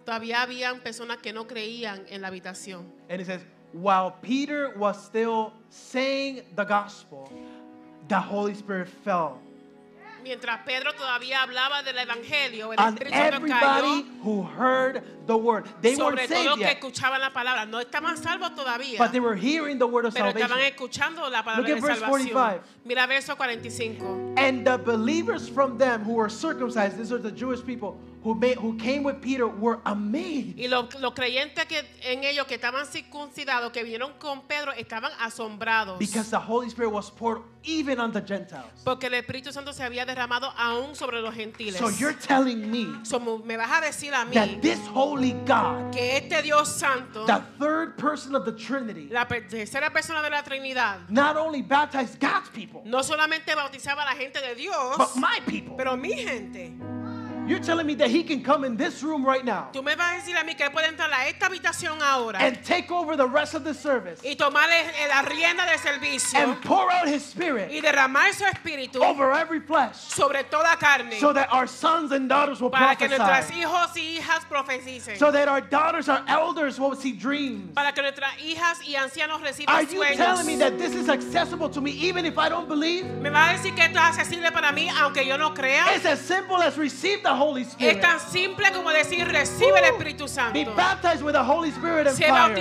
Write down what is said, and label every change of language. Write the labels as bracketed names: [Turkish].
[Spanish] Todavía habían personas que no creían en la habitación. [English] And it says, while Peter was still saying the gospel, the Holy Spirit fell. [Spanish] Mientras Pedro todavía hablaba del evangelio, el Espíritu Santo cayó. [English] On everybody who heard the word, they weren't saved yet. [Spanish] Sobre todo los que escuchaban la palabra, no estaban salvos todavía. [English] But they were hearing the word of salvation. [Spanish] Pero estaban escuchando la palabra de salvación. [English] Look at verse 45. [Spanish] Mira verso 45. [English] And the believers from them who were circumcised, these are the Jewish people who came with Peter, were amazed. [Spanish] Y los creyentes que en ellos que estaban circuncidados, que vinieron con Pedro, estaban asombrados. [English] Because the Holy Spirit was poured even on the Gentiles. [Spanish] Porque el Espíritu Santo se había derramado aún sobre los gentiles. [English] So you're telling me, [Spanish] so me vas a decir a mí, [English] that this holy God, [Spanish] que este Dios Santo, [English] the third person of the Trinity, [Spanish] la tercera persona de la Trinidad, [English] not only baptized God's people, [Spanish] no solamente bautizaba a la gente de Dios, [English] but my people, [Spanish] pero mi gente. [English] You're telling me that he can come in this room right now and take over the rest of the service [Spanish] y tomar la rienda del servicio [English] and pour out his spirit [Spanish] y derramar su espíritu [English] over every flesh [Spanish] sobre toda carne [English] so that our sons and daughters will [Spanish] para [English] prophesy [Spanish] que nuestras hijos y hijas profeticen [English] so that our daughters, our elders will see dreams. [Spanish] Para que nuestras hijas y ancianos reciban [English] Are you [Spanish] sueños? [English] Telling me that this is accessible to me even if I don't believe? [Spanish] Me va a decir que esto es accesible para mí aunque yo no crea? [English] It's as simple as receive the Holy Spirit. [Spanish] Es tan simple como decir recibe el Espíritu Santo. [English] Be baptized with the Holy Spirit and fire.